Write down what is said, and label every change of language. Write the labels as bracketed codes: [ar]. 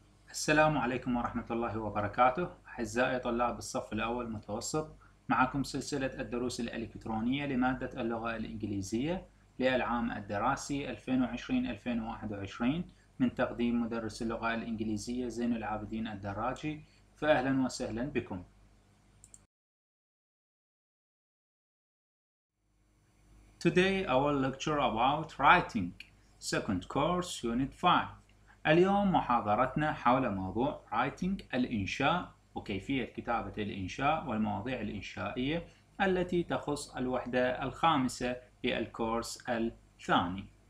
[ar] السلام عليكم ورحمة الله وبركاته. أعزائي طلاب الصف الأول المتوسط، معكم سلسلة الدروس الإلكترونية لمادة اللغة الإنجليزية للعام الدراسي 2020-2021 من تقديم مدرس اللغة الإنجليزية زين العابدين الدراجي، فأهلا وسهلا بكم. [en] Today our lecture about writing, second course, unit 5. [ar] اليوم محاضرتنا حول موضوع writing الإنشاء وكيفية كتابة الإنشاء والمواضيع الإنشائية التي تخص الوحدة الخامسة في الكورس الثاني.